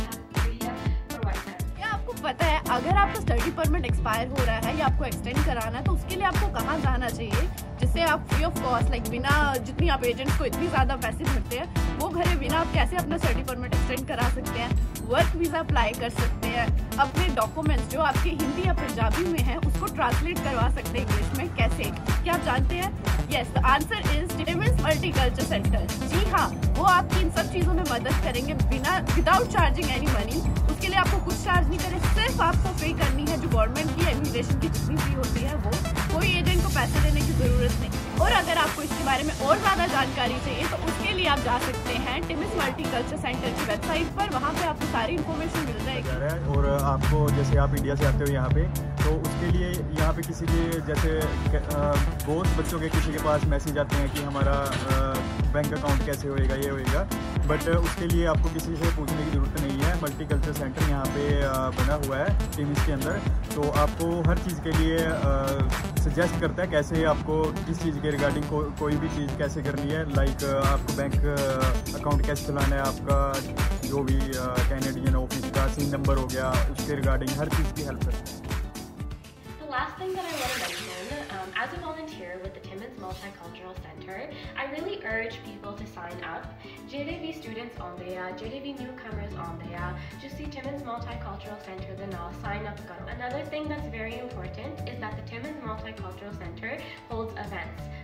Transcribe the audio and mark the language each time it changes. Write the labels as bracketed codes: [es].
[hi] अगर आपका study permit expire हो रहा है या आपको एक्सटेंड कराना है तो उसके लिए आपको कहाँ जाना चाहिए, जिससे आप फ्री ऑफ कॉस्ट लाइक बिना जितनी आप एजेंट्स को इतनी ज़्यादा पैसे भरते हैं वो घरे बिना आप कैसे अपना स्टडी परमिट एक्सटेंड करा सकते हैं, वर्क वीज़ा अप्लाई कर सकते हैं, अपने डॉक्यूमेंट्स जो आपके हिंदी या पंजाबी में हैं उसको ट्रांसलेट करवा सकते हैं इंग्लिश में कैसे, क्या आप जानते हैं? [en] Yes, the answer is Timmins Multicultural Centre. [hi] जी हाँ, वो आपकी इन सब चीज़ों में मदद करेंगे बिना [en] Without charging any money. [hi] उसके लिए आपको कुछ चार्ज नहीं करें, सिर्फ आपको पे करनी है जो गवर्नमेंट की इमिग्रेशन की जितनी फी होती है वो, कोई एजेंट को पैसे देने की जरूरत नहीं। और अगर आपको इसके बारे में और ज़्यादा जानकारी चाहिए तो उसके लिए आप जा सकते हैं टिमिस मल्टीकल्चर सेंटर की वेबसाइट पर, वहाँ पे आपको सारी इन्फॉर्मेशन मिल जाएगी। और आपको जैसे आप इंडिया से आते हो यहाँ पे तो उसके लिए यहाँ पे किसी के जैसे बहुत बच्चों के किसी के पास मैसेज आते हैं कि हमारा बैंक अकाउंट कैसे होएगा, ये होएगा, बट उसके लिए आपको किसी से पूछने की ज़रूरत नहीं है। मल्टीकल्चर सेंटर यहाँ पे बना हुआ है टिमिस के अंदर, तो आपको हर चीज़ के लिए सजेस्ट करता है कैसे आपको किस चीज़ के रिगार्डिंग कोई भी चीज़ कैसे करनी है, लाइक आपको बैंक अकाउंट कैसे चलाना है, आपका जो भी कैनेडियन ऑफिस का सीन नंबर हो गया उसके रिगार्डिंग हर चीज़ की हेल्प करता है। [en] Last thing that I want to mention, as a volunteer with the Timmins Multicultural Centre, I really urge people to sign up. [pa] Jede bhi students aunde ya, jede bhi newcomers aunde ya, [en] just see Timmins Multicultural Centre then I'll sign up [pa] karo. [en] Another thing that's very important is that the Timmins Multicultural Centre holds events.